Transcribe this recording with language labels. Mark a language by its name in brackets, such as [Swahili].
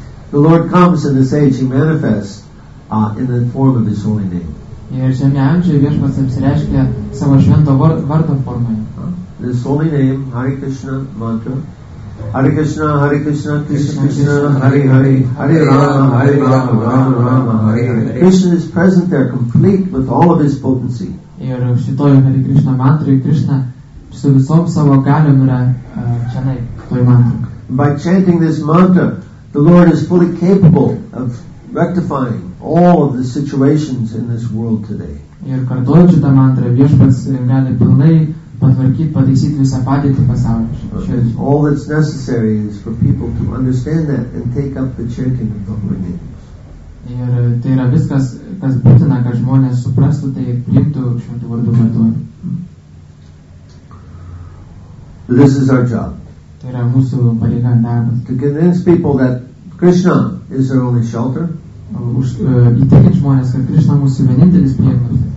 [English] The Lord comes in this age, he manifests in the form of his holy name. [Lithuanian] Ir šiame amžiuje viešpats apsireiškia savo švento vardo formoje. [English] This holy name, Hare Krishna mantra. Hare Krishna, Hare Krishna, Krishna Krishna, Hare Hare, Hare Rama, Hare Rama, Rama Rama, Hare Hare. Krishna is present there complete with all of his potency. [Lithuanian] Ir šitoje Hare Krishna mantroje Krishna su visom savo galiom yra čianai, toj mantroje. [English] By chanting this mantra, the Lord is fully capable of rectifying all of the situations in this world today. [Lithuanian] Ir kartuojant šitą mantrą, viešpats gali pilnai patvarkyti, pataisyti visą padėtį pasaulyje. [English] All that's necessary is for people to understand that and take up the chanting of the holy name. [Lithuanian] Ir tai yra viskas, kas būtina, kad žmonės suprastų tai ir priimtų šventų vardų vartojimą. [English] This is our job. [Lithuanian] Tai yra mūsų pareiga darbas. [English] To convince people that Krishna is their only shelter. [Lithuanian] Įtikinti žmonės, kad Krishna mūsų vienintelis prieglobstis.